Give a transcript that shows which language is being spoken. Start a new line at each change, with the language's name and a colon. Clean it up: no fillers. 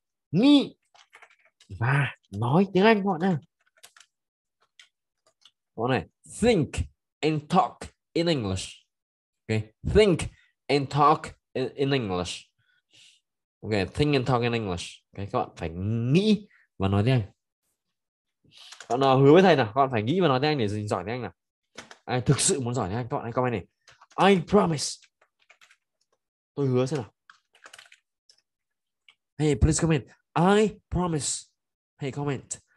Vietnamese: Nghĩ và nói tiếng Anh các bạn nha.
English: Các bạn này, think and talk in English. Okay, think and talk in English. Okay, think and talk in English.
Vietnamese: Okay, các bạn phải nghĩ và nói tiếng Anh. Các bạn nào hứa với thầy nào, các bạn phải nghĩ và nói tiếng Anh để giành giỏi tiếng Anh nào. Ai thực sự muốn giỏi tiếng Anh, các bạn hãy comment này.
English: I promise.
Vietnamese: Tôi hứa xem nào.
English: Hey, please comment. I promise. Hey, comment.